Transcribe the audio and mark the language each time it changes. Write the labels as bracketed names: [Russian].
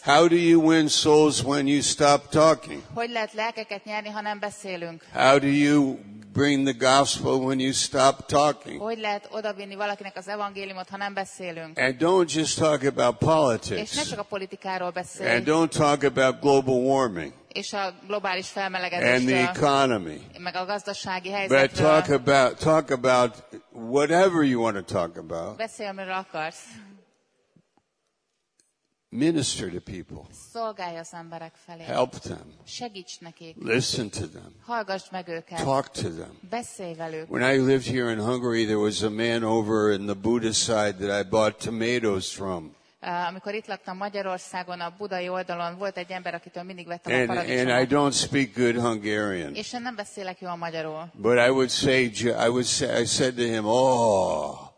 [English] How do you win souls when you stop talking? [Hungarian] Hogy lehet lelkeket nyerni, ha nem beszélünk? [English] How do you bring the gospel when you stop talking? [Hungarian] Hogy lehet odavinni valakinek az evangéliumot, ha nem beszélünk? [English] And don't just talk about politics. [Hungarian] És ne csak a politikáról beszélj. [English] And don't talk about global warming. [Hungarian] És a globális felmelegedésről. [English] And the economy. [Hungarian] Meg a gazdasági helyzetről. [English] But talk about whatever you want to talk about. [Hungarian] Beszélj, amiről akarsz. [English] Minister to people. [Hungarian] Szolgálj az emberek felé. [English] Help them. [Hungarian] Segíts nekik. [English] Listen to them. [Hungarian] Hallgass meg őket. [English] Talk to them. [Hungarian] Beszélj velük. [English] When I lived here in Hungary, there was a man over in the Buddhist side that I bought tomatoes from. [Hungarian] Amikor itt laktam Magyarországon, a budai oldalon volt egy ember, akitől mindig vettem a paradicsomot. [English] And I don't speak good Hungarian. [Hungarian] És én nem beszélek jól magyarul. [English] But I would say, I said to him, oh.